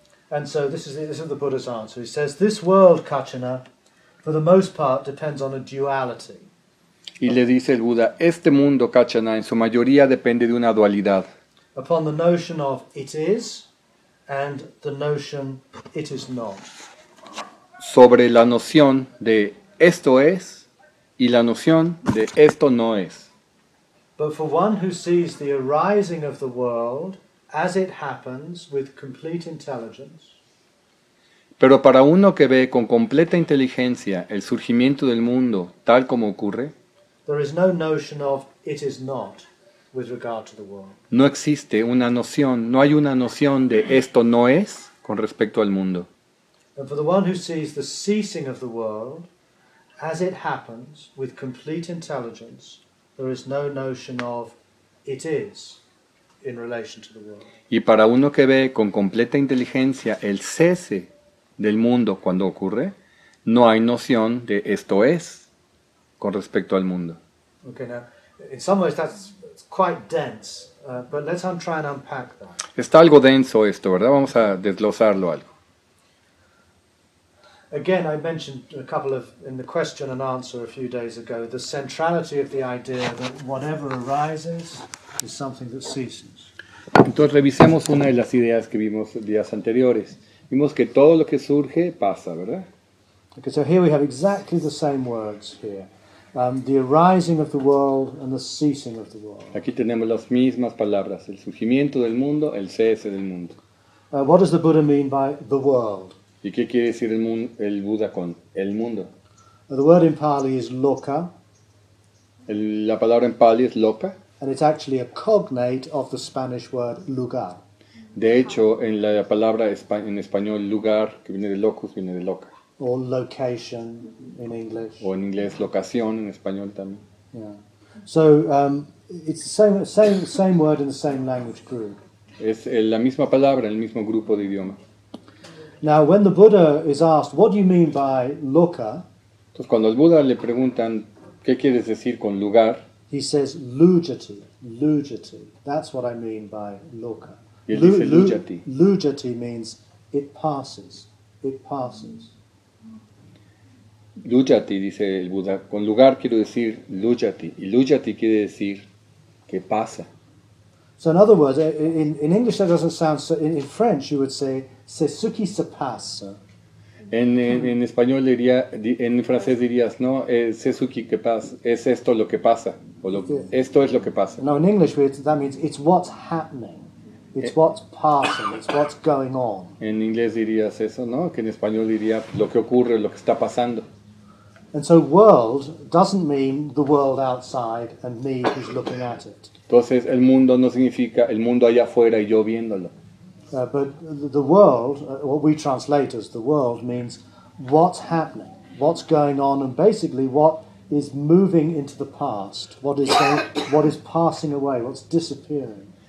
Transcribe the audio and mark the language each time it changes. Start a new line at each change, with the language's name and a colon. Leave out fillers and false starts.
English: And so this is the Buddha's answer. He says, this world, Kachana, for the most part depends on a duality.
Spanish: Y le dice el Buda, este mundo, Kachana, en su mayoría depende de una dualidad.
English: Upon the notion of it is and the notion it is not.
Spanish: Sobre la noción de esto es y la noción de esto no es.
English: But for one who sees the arising of the world as it happens with complete intelligence.
Spanish: Pero para uno que ve con completa inteligencia el surgimiento del mundo tal como ocurre.
English: There is no notion of it is not with regard to the world.
Spanish: No existe una noción, no hay una noción de esto no es con respecto al mundo.
English: And for the one who sees the ceasing of the world as it happens with complete intelligence. There is no notion of it is in relation to the world.
Spanish: Y para uno que ve con completa inteligencia el cese del mundo cuando ocurre, no hay noción de esto es con respecto al mundo.
English: Okay, now, in some ways that's quite dense, but let's try and unpack that.
Spanish: Está algo denso esto, ¿verdad? Vamos a desglosarlo algo.
English: Again, I mentioned a couple of, in the question and answer a few days ago, the centrality of the idea that whatever arises is something that ceases.
Spanish: Entonces, revisemos una de las ideas que vimos días anteriores. Vimos que todo lo que surge pasa, ¿verdad?
English: Okay, so here we have exactly the same words here. The arising of the world and the ceasing of the world.
Spanish: Aquí tenemos las mismas palabras, el surgimiento del mundo, el cese del mundo.
English: What does the Buddha mean by the world?
Spanish: ¿Y qué quiere decir el Buda con el mundo?
English: The word in Pali is loka.
Spanish: La palabra en Pali es loka.
English: And it's actually a cognate of the Spanish word lugar.
Spanish: De hecho, en la palabra en español lugar, que viene de locus, viene de loca.
English: Or location in English.
Spanish: O en inglés locación, en español también.
English: Yeah. So it's the same word in the same language group.
Spanish: Es la misma palabra, el mismo grupo de idioma.
English: Now, when the Buddha is asked, "What do you mean by loka?"
Spanish: Entonces, cuando al Buda le preguntan qué quieres decir con lugar,
English: he says, "Lujati, lujati." That's what I mean by loka.
Spanish: Y él dice lujati.
English: Lujati means it passes. It passes.
Spanish: Lujati, dice el Buda, con lugar quiero decir lujati, y lujati quiere decir que pasa.
English: So in other words, in English that doesn't sound so, in French you would say
French: c'est ce qui se passe.
Spanish: En español diría, en francés dirías, no,
French: c'est ce qui
Spanish: que pasa, es esto lo que pasa, o lo, esto es lo que pasa.
English: No, in English that means it's what's happening. It's what's passing, it's what's going on.
Spanish: En inglés dirías eso, ¿no? Que en español diría lo que ocurre, lo que está pasando.
English: And so world doesn't mean the world outside and me who's looking at it.
Spanish: Entonces el mundo no significa el mundo allá afuera y yo viéndolo.
English: But the world, what we translate as the world, means what's happening, what's going on, and basically what is moving into the past, what is passing away, what's disappearing.